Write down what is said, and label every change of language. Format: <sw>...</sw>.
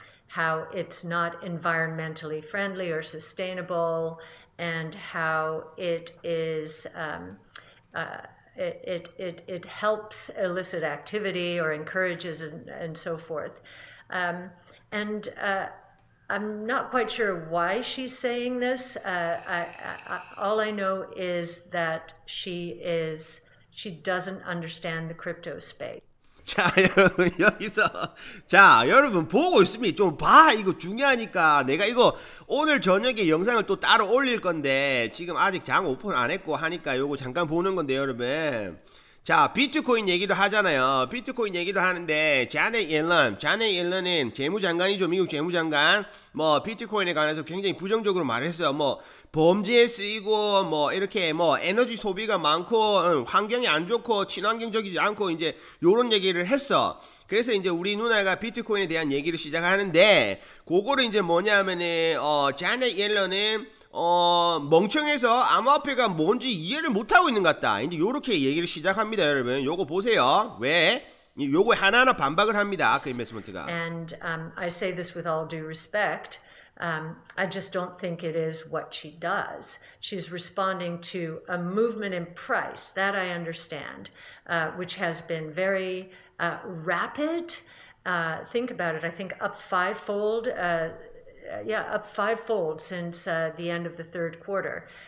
<en>how it's not environmentally friendly or sustainable, and how it is it helps illicit activity or encourages and so forth. I'm not quite sure why she's saying this. All I know is that she doesn't understand the crypto space.</en> <ko>자, 여러분, 여기서, 자, 여러분, 보고 있습니다. 좀 봐. 이거 중요하니까. 내가 이거 오늘 저녁에 영상을 또 따로 올릴 건데, 지금 아직 장 오픈 안 했고 하니까 요거 잠깐 보는 건데, 여러분. 자, 비트코인 얘기도 하잖아요. 비트코인 얘기도 하는데 자넷 옐런, 자넷 옐런은 재무장관이죠. 미국 재무장관. 뭐 비트코인에 관해서 굉장히 부정적으로 말했어요. 뭐 범죄에 쓰이고 뭐 이렇게 뭐 에너지 소비가 많고 환경이 안 좋고 친환경적이지 않고 이제 요런 얘기를 했어. 그래서 이제 우리 누나가 비트코인에 대한 얘기를 시작하는데 그거를 이제 뭐냐면은 자넷 옐런은 멍청해서 암호화폐가 뭔지 이해를 못하고 있는 것 같다. 이제 요렇게 얘기를 시작합니다, 여러분. 요거 보세요. 왜? 요거 하나하나 반박을 합니다. 그 인베스먼트가.</ko> <en>And I say this with all due respect. I just don't think it is what she does. She's responding to a movement in price that I understand, which has been very rapid. Think about it. I think up fivefold. Up fivefold since the end of the third quarter.</en>